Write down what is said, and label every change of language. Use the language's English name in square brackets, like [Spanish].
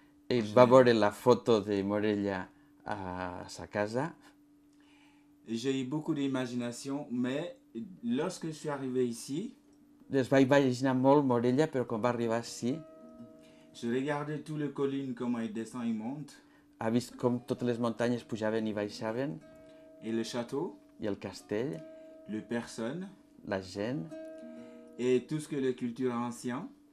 [Catalan] Et va veure la foto de Morella a sa casa. [French] J'ai eu beaucoup d'imagination, mais lorsque je suis arrivé ici, [Catalan] es va imaginar molt Morella, però quan va arribar [French] ici, je regardais toutes les collines, comment elles descendent et montent. [Catalan] Ha vist com totes les muntanyes pujaven i baixaven. [French] Et le château. [Catalan] I el castell. [French] Les personnes. [Catalan] La gent. [French] Et tout ce que la culture ancienne.